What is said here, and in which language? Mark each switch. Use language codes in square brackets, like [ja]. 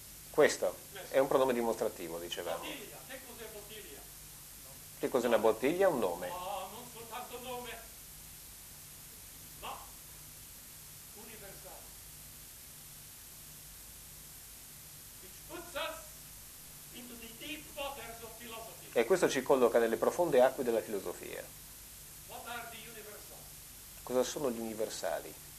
[it] Questo è un pronome dimostrativo, dicevamo. Bottiglia. Che cos'è bottiglia? Che cos'è una bottiglia? Un nome. Non soltanto nome, ma universale. [en] Which puts us into the deep waters of philosophy. [it] E questo ci colloca nelle profonde acque della filosofia. [en] What are the universal? [it] Cosa sono gli universali?